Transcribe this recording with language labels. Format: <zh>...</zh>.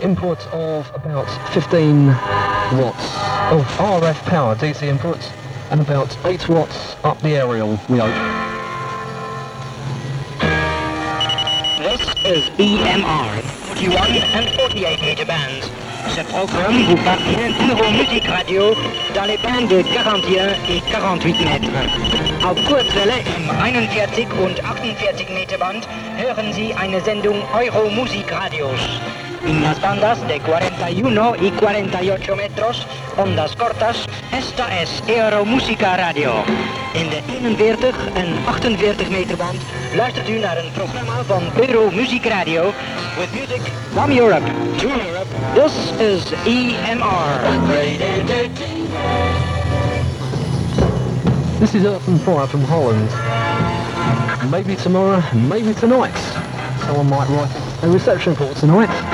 <en>Input of about 15 watts of RF power, DC input, and about 8 watts up the aerial, we hope. This is EMR, 41 and 48 meter bands.</en> <fr>Ce programme vous parvient de nouveau musique radio dans les bandes de 41 et 48 mètres.</fr> <de>Auf Kurzwelle im 41 und 48 meter band hören Sie eine Sendung Euro Musik Radios.</de> <es>En las bandas de 41 y 48 metros, ondas cortas, esta es Euromusica Radio.</es> <nl>En de 41 en 48 meter band, luistert u naar een programma van Euromusic Radio.</nl> <en>With music from Europe to Europe, this is EMR. This is Earth and Fire from Holland. Maybe tomorrow, maybe tonight, someone might write a reception for tonight.</en>